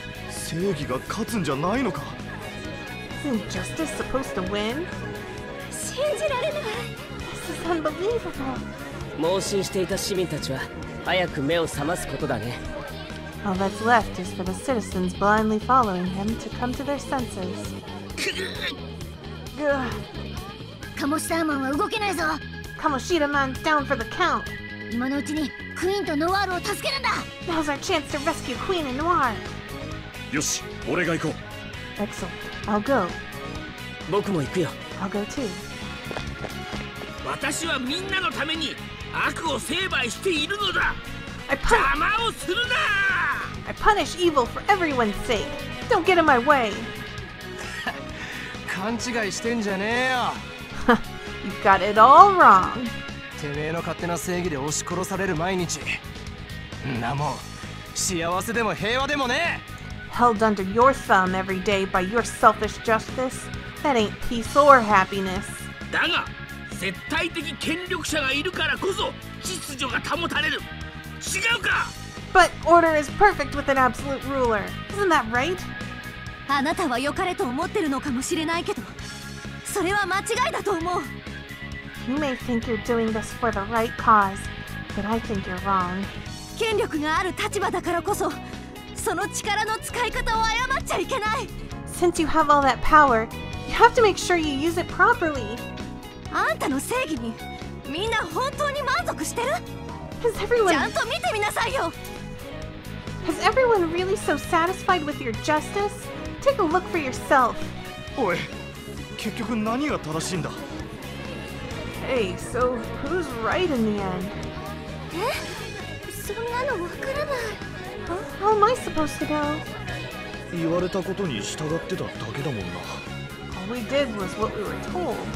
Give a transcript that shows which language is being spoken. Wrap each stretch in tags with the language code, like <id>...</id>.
<ja>正義が勝つんじゃないのか?</ja> <en>Isn't justice supposed to win?</en> <ja>信じられない!</ja> <en>This is unbelievable.</en> <ja>盲信していた市民たちは早く目を覚ますことだね。</ja> <en>All that's left is for the citizens blindly following him to come to their senses.</en> <ja>カモシダーマンは動けないぞ!</ja> <en>カモシダマン down for the count!</en> <ja>今のうちにクイーンとノワールを助けるんだ!</ja> <en>Now's our chance to rescue Queen and Noir!</en> <ja>よし、俺が行こう!</ja> <en>Excellent, I'll go!</en> <ja>僕も行くよ!</ja> <en>I'll go too!</en> <ja>私はみんなのために悪を成敗しているのだ! 邪魔をするな!</ja> <en>I punish evil for everyone's sake! Don't get in my way!</en> <ja>勘違いしてんじゃねえよ!</ja> <en>You've got it all wrong.</en> <ja>てめえの勝手な正義で押し殺される毎日。んなもん、幸せでも平和でもねえ。</ja> <en>Held under your thumb every day by your selfish justice, that ain't peace or happiness.</en> <ja>だが、絶対的権力者がいるからこそ秩序が保たれる。違うか</ja> <en>？But order is perfect with an absolute ruler. Isn't that right?</en> <ja>あなたは良かれと思ってるのかもしれないけど、それは間違いだと思う。</ja> <en>You may think you're doing this for the right cause, but I think you're wrong.</en> <ja>権力がある立場だからこそ、その力の使い方を誤っちゃいけない。</ja> <en>Since you have all that power, you have to make sure you use it properly.</en> <ja>あんたの正義に、みんな本当に満足してる?</ja> <en>Is everyone...</en> <ja>ちゃんと見てみなさいよ!</ja> <en>Is everyone really so satisfied with your justice? Take a look for yourself.</en> <ja>おい、結局何が正しいんだ?</ja> <en>Hey, so who's right in the end? Eh?</en> <ja>そんなのわからない。</ja> <en>How am I supposed to know?</en> <ja>言われたことに従ってただけだもんな。</ja> <en>All we did was what we were told.</en>